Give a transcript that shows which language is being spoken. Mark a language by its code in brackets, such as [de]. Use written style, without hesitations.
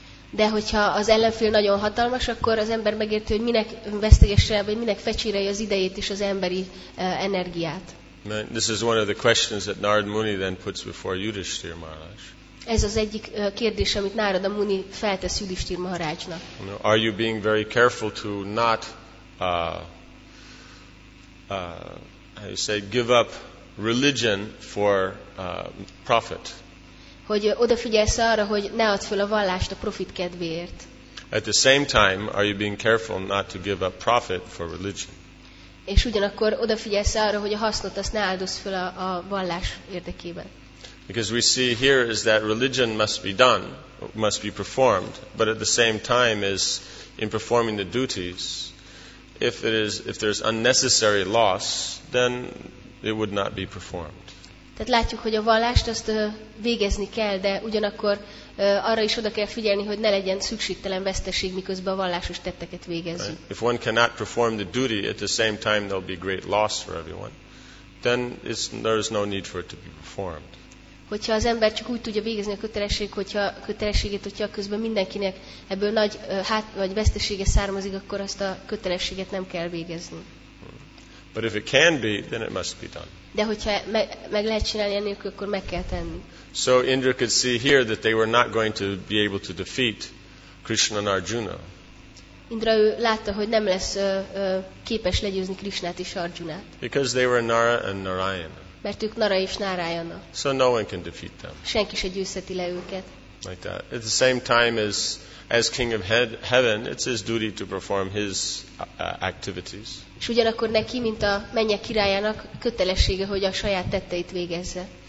[hu] De hogyha az ellenfél nagyon hatalmas, akkor az ember megérti, hogy minek vesztegesse, vagy minek fecsérelje az idejét és az emberi energiát. [en] This is one of the questions that Narada Muni then puts before Yudhishthira Maharaj. [hu] Ez az egyik kérdés, amit Narada Muni feltesz Yudhishthira Maharajnak. [en] Are you being very careful to not give up religion for profit? [hu] Hogy odafigyelsz arra, hogy ne add fel a vallást a profit kedvéért. [en] At the same time, are you being careful not to give up profit for religion? [hu] És ugyanakkor odafigyelsz arra, hogy a hasznot azt ne áldozz fel a vallás érdekében. [en] Because we see here is that religion must be done, must be performed, but at the same time is in performing the duties, if there's unnecessary loss, then it would not be performed. [hu] Tehát látjuk, hogy a vallást azt végezni kell, de ugyanakkor arra is oda kell figyelni, hogy ne legyen szükségtelen veszteség, miközben a vallásos tetteket végezzük. [en] Right. If one cannot perform the duty, at the same time there'll be great loss for everyone, then there's no need for it to be performed. [hu] Hogyha az ember csak úgy tudja végezni a kötelességét, hogyha közben mindenkinek ebből nagy vagy vesztesége származik, akkor azt a kötelességet nem kell végezni. [en] But if it can be, then it must be done. [hu] De hogyha meg lehet csinálni enélkül, akkor meg kell tenni. [en] So Indra could see here that they were not going to be able to defeat Krishna and Arjuna. [hu] Indra látta, hogy nem lesz képes legyőzni Krishnát és Arjunát. [en] Because they were Nara and Narayana. [hu] Mert ők Nara és Narayana. [en] So no one can defeat them. [hu] Senki se győzheti le őket. [en] Like that. At the same time as King of Heaven, it's his duty to perform his activities. [hu] És ugyanakkor neki, mint a mennyek királyának kötelessége, hogy a saját tetteit végezze.